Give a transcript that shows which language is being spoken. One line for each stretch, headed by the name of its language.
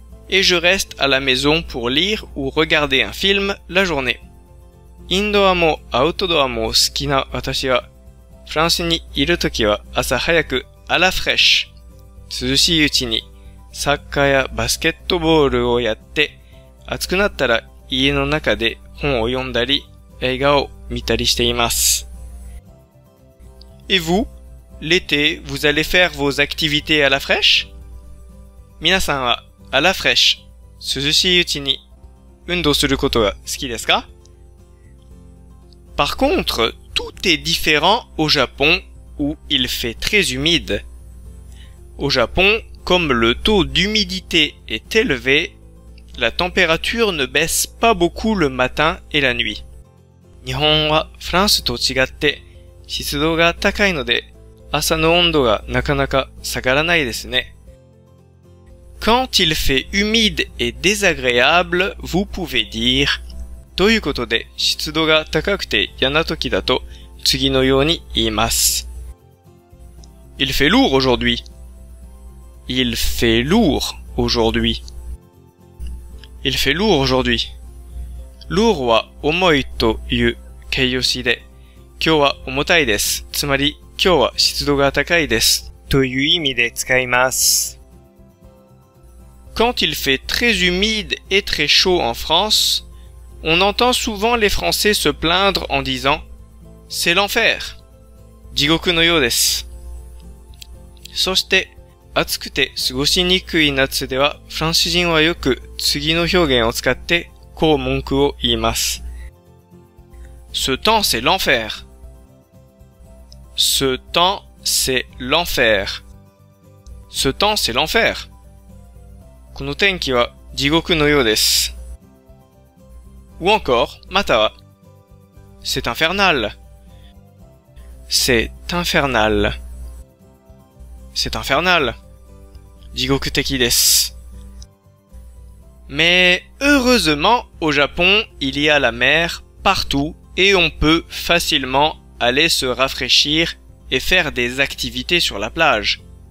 French: Et je reste à la maison pour lire ou regarder un film la journée.
Japanese: インドアもアウトドアも好きな私は、フランスにいるときは朝早くあらフレッシュ。涼しいうちにサッカーやバスケットボールをやって、暑くなったら家の中で本を読んだり、映画を見たりしています。
French: Et vous? L'été, vous allez faire vos activités à la fraîche?
Japanese: 皆さんはあらフレッシュ、涼しいうちに運動することが好きですか？
French: Par contre, tout est différent au Japon où il fait très humide. Au Japon, comme le taux d'humidité est élevé, la température ne baisse pas beaucoup le matin et la nuit.
Japanese: 日本はフランスと違って湿度が高いので朝の温度がなかなか下がらないですね。
French: Quand il fait humide et désagréable, vous pouvez dire...
Japanese: ということで、湿度が高くて嫌な時だと、次のように言います。
French: Il fait lourd aujourd'hui. Il fait lourd aujourd'hui. Il fait lourd aujourd'hui.
Japanese: Lourd は重いという形容詞で、今日は重たいです。つまり、今日は湿度が高いです。という意味で使います。
French: Quand il fait très humide et très chaud en France,On entend souvent les Français se plaindre en disant « C'est l'enfer !»
Japanese: 地獄のようです。そして、暑くて過ごしにくい夏では、フランス人はよく次の表現を使って、こう文句を言います。
French: Ce temps, c'est l'enfer. Ce temps, c'est l'enfer. Ce temps, c'est l'enfer.
Japanese: この天気は地獄のようです。
French: Ou encore,
Japanese: または、
French: c'est infernal. C'est infernal. C'est infernal.
Japanese: 地獄的です。
French: Mais heureusement, au Japon, il y a la mer partout et on peut facilement aller se rafraîchir et faire des activités sur la plage.